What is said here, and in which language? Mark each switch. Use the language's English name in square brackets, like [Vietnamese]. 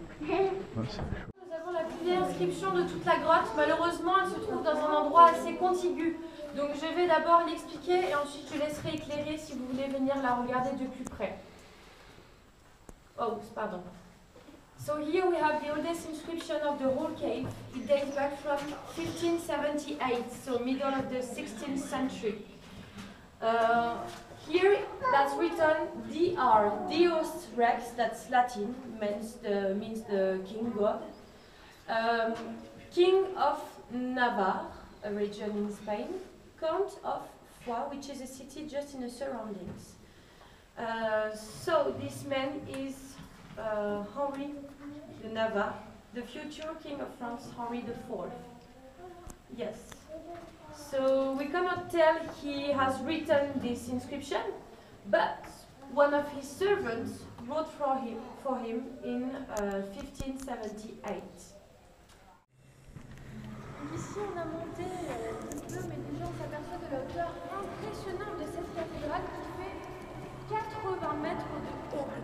[French] Ouais, nous avons la plus vieille inscription de toute la grotte. Malheureusement, elle se trouve dans un endroit assez contigu. Donc je vais d'abord l'expliquer et ensuite je laisserai éclairer si vous voulez venir la regarder de plus près. Oh, pardon. [English] So here we have the oldest inscription of the whole cave. It dates back from 1578, so middle of the 16th century. Here that's written DR, Deus Rex, that's Latin, means the king god. King of Navarre, a region in Spain. Count of Foix, which is a city just in the surroundings. So this man is Henri de Navarre, the future king of France, Henri IV. Yes. So we cannot tell he has written this inscription, but one of his servants wrote for him in 1578. [French] Ici, on a monté un peu, mais déjà on s'aperçoit de la hauteur impressionnante de cette cathédrale qui fait 80 mètres de haut.